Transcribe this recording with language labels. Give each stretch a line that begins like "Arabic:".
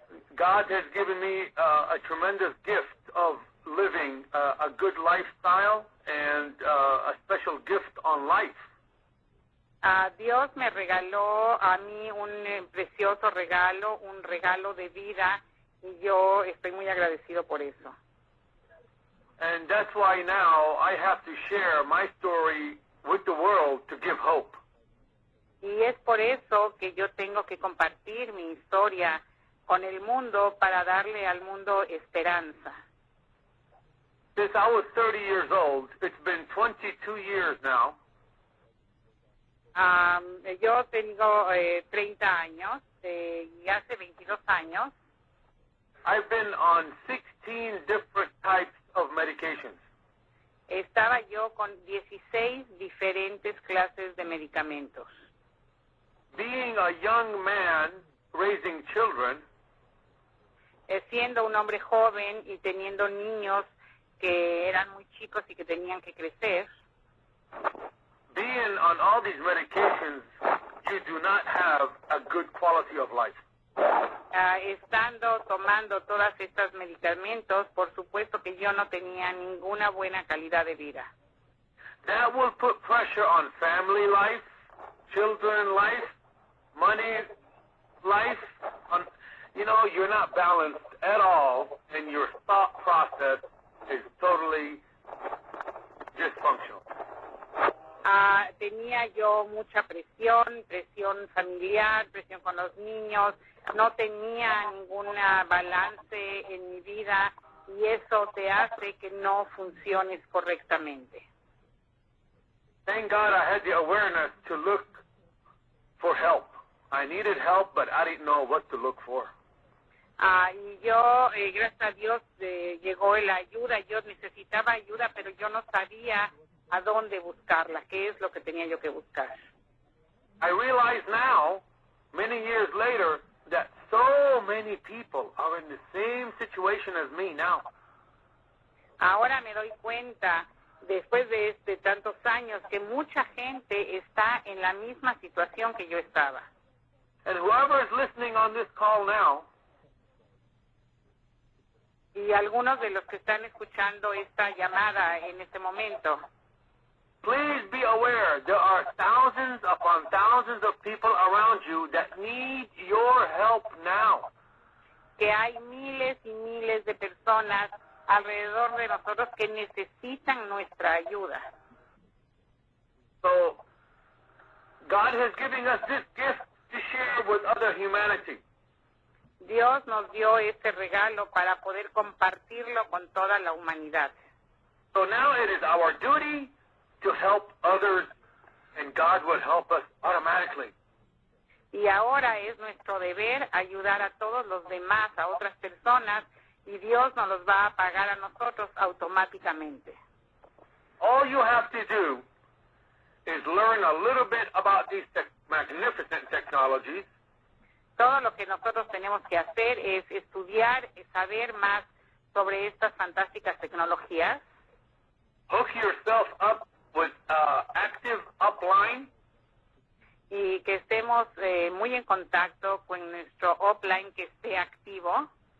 English: God has given me a tremendous gift of living a good lifestyle and a special gift on life.
Spanish: Dios me regaló a mí un precioso regalo, un regalo de vida, y yo estoy muy agradecido por eso.
English: And that's why now I have to share my story with the world to give hope.
Spanish: Y es por eso que yo tengo que compartir mi historia con el mundo para darle al mundo esperanza.
English: Since I was 30 years old, it's been 22 years now.
Spanish: Yo tengo 30 años y hace 22 años.
English: I've been on 16 different types of medications.
Spanish: Estaba yo con 16 diferentes clases de medicamentos.
English: Being a young man raising children,
Spanish: siendo un hombre joven y teniendo niños que eran muy chicos y que tenían que crecer,
English: being on all these medications, you do not have a good quality of life.
Spanish: Estando tomando todas estas medicamentos, por supuesto que yo no tenía ninguna buena calidad de vida.
English: That will put pressure on family life, children life, money life. On, you know, you're not balanced at all, and your thought process is totally dysfunctional.
Spanish: Tenía yo mucha presión, presión familiar, presión con los niños. No tenía ningún balance en mi vida y eso te hace que no funciones correctamente.
English: Thank God I had the awareness to look for help. I needed help, but I didn't know what to look for.
Spanish: Y yo, gracias a Dios, llegó la ayuda. Yo necesitaba ayuda, pero yo no sabía a dónde buscarla, qué es lo que tenía yo que buscar.
English: I realize now, many years later, that so many people are in the same situation as me now.
Spanish: Ahora me doy cuenta, después de tantos años, que mucha gente está en la misma situación que yo estaba.
English: And whoever is listening on this call now,
Spanish: y algunos de los que están escuchando esta llamada en este momento,
English: please be aware there are thousands upon thousands of people around you that need your help now.
Spanish: Que hay miles y miles de personas alrededor de nosotros que necesitan nuestra ayuda.
English: So, God has given us this gift to share with other humanity.
Spanish: Dios nos dio este regalo para poder compartirlo con toda la humanidad.
English: So now it is our duty to help others, and God will help us automatically.
Spanish: Y ahora es nuestro deber ayudar a todos los demás, a otras personas, y Dios nos los va a pagar a nosotros automáticamente.
English: All you have to do is learn a little bit about these magnificent technologies.
Spanish: Todo lo que nosotros tenemos que hacer es estudiar, es saber más sobre estas fantásticas tecnologías.
English: Hook yourself up with active upline.
Spanish: Y que estemos muy en contacto con nuestro upline que esté activo.